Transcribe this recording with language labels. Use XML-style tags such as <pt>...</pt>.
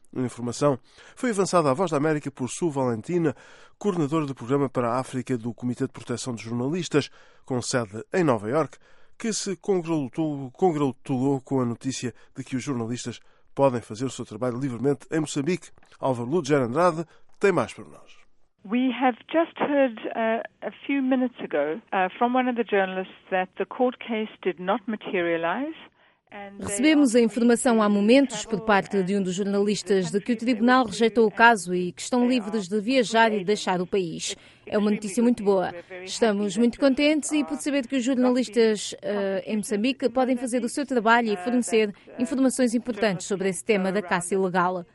<pt>A informação foi avançada à Voz da América por Sul Valentina, coordenadora do programa para a África do Comitê de Proteção dos Jornalistas, com sede em Nova Iorque, que se congratulou com a notícia de que os jornalistas podem fazer o seu trabalho livremente em Moçambique. Álvaro Ludger Andrade tem mais para nós.</pt> <en>We have just heard a few minutes ago from one of the journalists that the court case did not materialize.</en> <pt>Recebemos a informação há momentos por parte de um dos jornalistas de que o tribunal rejeitou o caso e que estão livres de viajar e deixar o país. É uma notícia muito boa. Estamos muito contentes e por saber que os jornalistas em Moçambique podem fazer o seu trabalho e fornecer informações importantes sobre esse tema da caça ilegal.</pt>